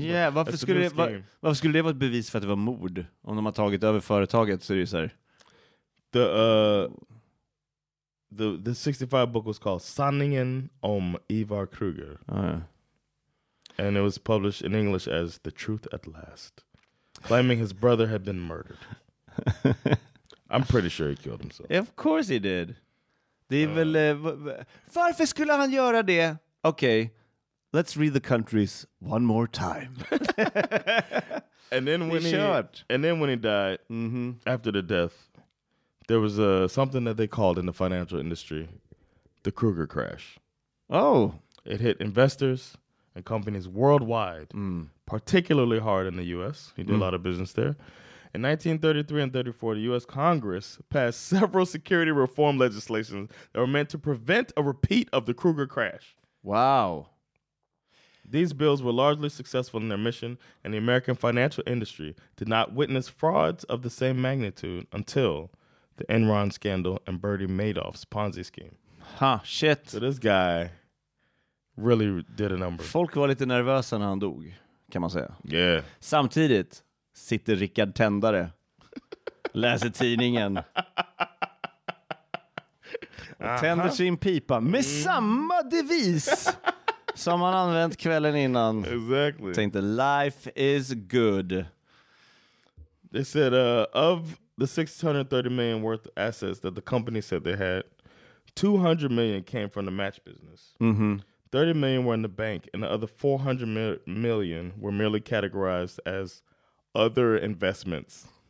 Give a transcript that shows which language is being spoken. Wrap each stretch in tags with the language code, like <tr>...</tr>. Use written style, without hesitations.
<sv>Yeah, varför skulle det vara ett bevis för att det var mord? Om de har tagit över företaget, så är det så här.</sv> <en>The 65 book was called Sanningen om Ivar Kreuger. And it was published in English as The Truth at Last, claiming his brother had been murdered. I'm pretty sure he killed himself. Of course he did.</en> <sv>Det är väl, varför skulle han göra det?</sv> <en>Okay, let's read the countries one more time. And then when he died, mm-hmm. after the death, there was something that they called in the financial industry the Kreuger crash. Oh. It hit investors and companies worldwide, particularly hard in the U.S. He did a lot of business there. In 1933 and 34, the U.S. Congress passed several security reform legislations that were meant to prevent a repeat of the Kreuger crash. Wow. These bills were largely successful in their mission, and the American financial industry did not witness frauds of the same magnitude until the Enron scandal and Bernie Madoff's Ponzi scheme. Huh, shit. So this guy really did a number.</en> <sv>Folk var lite nervösa när han dog, kan man säga.</sv> <en>Yeah.</en> <sv>Samtidigt. Sitter Rickard Tändare. Läser tidningen. Tänder sin pipa med samma devis som han använt kvällen innan.</sv> <en>Exactly.</en> <sv>Tänkte,</sv> <en>life is good. They said, of the $630 million worth of assets that the company said they had, $200 million came from the match business. Mm-hmm. $30 million were in the bank, and the other $400 million were merely categorized as other investments.</en>